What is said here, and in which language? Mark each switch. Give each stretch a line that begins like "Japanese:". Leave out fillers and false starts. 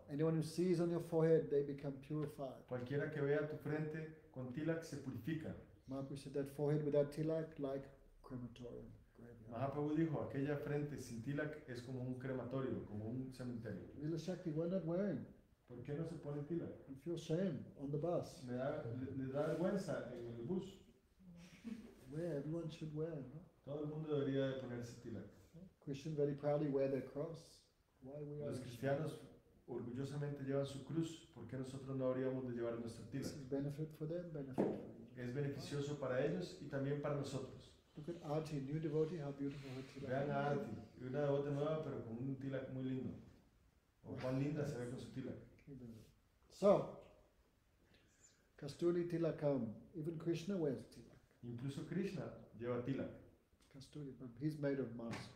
English: Anyone who sees on your forehead, they become purified.
Spanish: Cualquiera que vea tu frente con tilak se purifica.
English: Mahaprabhu said that forehead without tilak like crematorium graveyard.
Spanish: Mahaprabhu dijo aquella frente sin tilak es como un crematorio, como un cementerio.
English: Lila Shakti, why not wearing?
Spanish: ¿Por qué no se pone tilak?
English: I feel shame on the bus.
Spanish: Me da vergüenza en el bus.
English: Wear, everyone should wear, no?
Spanish: Todo el mundo debería de ponerse tilak.
English: Christians very proudly wear their cross. Why we
Spanish: los cristianos orgullosamente llevan su cruz. ¿Por qué nosotros no habríamos de llevar nuestro tilak?
English: This is benefit for them, benefit for you.
Spanish: Es beneficioso para ellos y también para nosotros.
English: Look at Arti, new devotee, how beautiful her tilak.
Spanish: Vean a Arti, una devota nueva pero con un tilak muy lindo. O cuán linda se ve con su tilak.
Sanskrit: So, kasturi tilakam.
English: Even Krishna wears tilak.
Spanish: Incluso Krishna lleva tilak.
English: Kasturi, but he's made of musk.